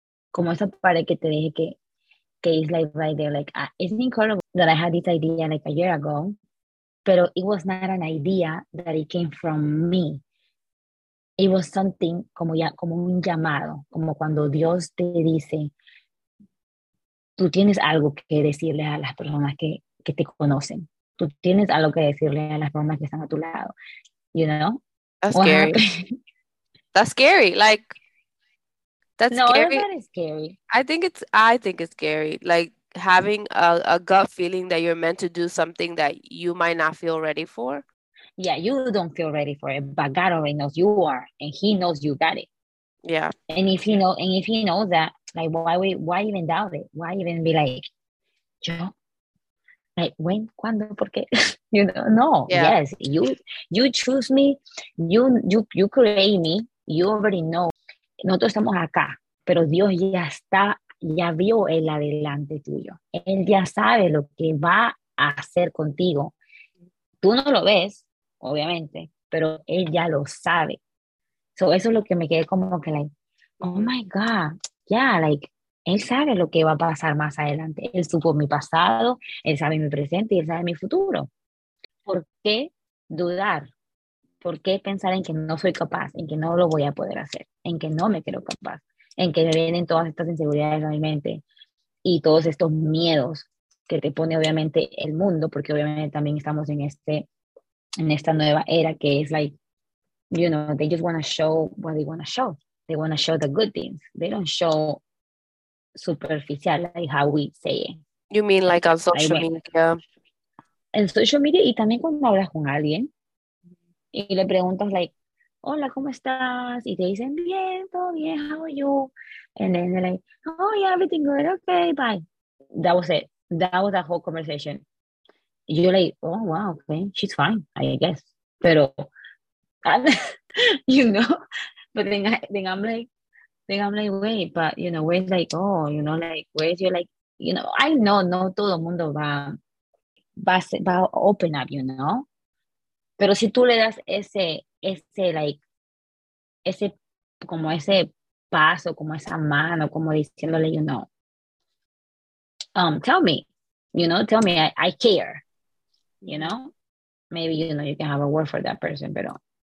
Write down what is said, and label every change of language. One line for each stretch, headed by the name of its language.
Spanish: como esa parte que te dije que es
English: like right there, like it's incredible that I had this idea like a year ago, pero it was not an idea that it came from me. It was something
Spanish: como ya como un llamado, como cuando Dios te dice, tú tienes algo que decirle a las personas que te conocen. Tú tienes algo que decirle a las personas que están a tu lado.
English: You know? That's what scary. Happened? That's scary. Like, that's no, scary. No, that's not scary. I think it's scary. Like, having a gut feeling that you're meant to do something that you might not feel ready for. Yeah, you don't feel ready for it, but God already knows you are, and He knows you got it. Yeah. And if he knows that, like, why even doubt it? Why even be like, yo, like, when,
Spanish: cuando, por qué?
English: You know, no. Yeah. Yes, you choose me, you create me, you already know.
Spanish: Nosotros estamos acá, pero Dios ya está, ya vio el adelante tuyo. Él ya sabe lo que va a hacer contigo. Tú no lo ves, obviamente, pero Él ya lo sabe. So eso es lo que me quedé como que like,
English: oh my God, yeah,
Spanish: like, Él sabe lo que va a pasar más adelante. Él supo mi pasado, Él sabe mi presente y Él sabe mi futuro. ¿Por qué dudar? ¿Por qué pensar en que no soy capaz, en que no lo voy a poder hacer, en que no me creo capaz, en que me vienen todas estas inseguridades a mi mente y todos estos miedos que te pone obviamente el mundo, porque obviamente también estamos en esta nueva era que es
English: like, you know, they just want to show
Spanish: what they want to show.
English: They want to show the good things. They don't show superficial, like how we say it. You mean like on social media?
Spanish: En social media, y también cuando hablas con alguien y le preguntas like, hola, ¿cómo estás? Y te dicen, bien, todo bien,
English: how are you? And then they're like, oh yeah, everything good, okay, bye. That was it. That was the whole conversation. You're like, oh wow, okay, she's fine, I guess. Pero... you know, but then I'm like, wait, but you know, where's like, oh, you know, like, where's your like, you know, I know,
Spanish: no todo mundo va
English: open up, you know,
Spanish: pero si tú le das ese like, ese como ese paso, como esa mano, como diciéndole,
English: you know, tell me, you know, tell me, I care, you know, maybe, you know, you can have a word for that person, pero.